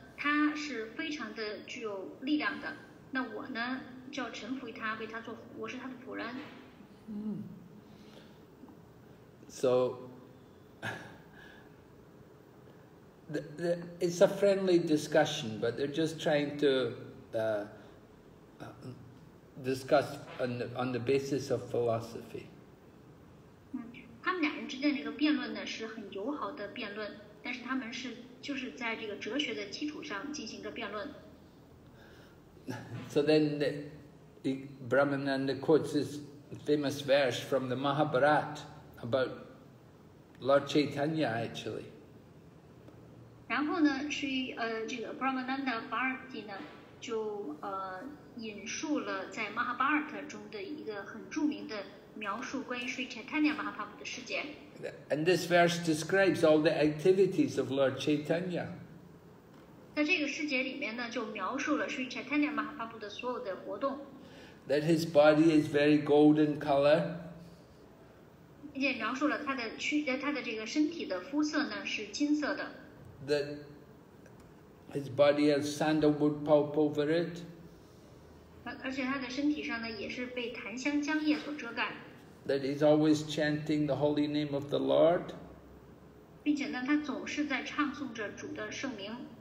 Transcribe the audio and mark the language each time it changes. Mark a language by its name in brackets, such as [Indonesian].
[Chinese] 他是非常的具有力量的，那我呢就要臣服于他，为他做，我是他的仆人。 [English] So it's a friendly discussion, but they're just trying to discuss on the basis of philosophy. [Chinese] 他们两人之间这个辩论呢是很友好的辩论，但是他们是就是在这个哲学的基础上进行个辩论。 [English] So then the Brahmananda quotes this famous verse from the Mahabharata about Lord Chaitanya actually. [Chinese] 然后呢，是这个 Brahmananda Bharati 呢，就引述了在 Mahabharata 中的一个很著名的描述关于 Sri Chaitanya Mahaprabhu 的事件。 [English] And this verse describes all the activities of Lord Chaitanya. [Chinese] 在这个世界里面呢，就描述了 Sri Chaitanya Mahaprabhu 的所有的活动。 [English] That his body is very golden color. [Chinese] 并且描述了他的这个身体的肤色呢是金色的。 [English] That his body has sandalwood pulp over it. [Chinese] 而且他的身体上呢也是被檀香浆液所遮盖。 [English] That he's always chanting the holy name of the Lord. [Chinese] 并且呢他总是在唱诵着主的圣名。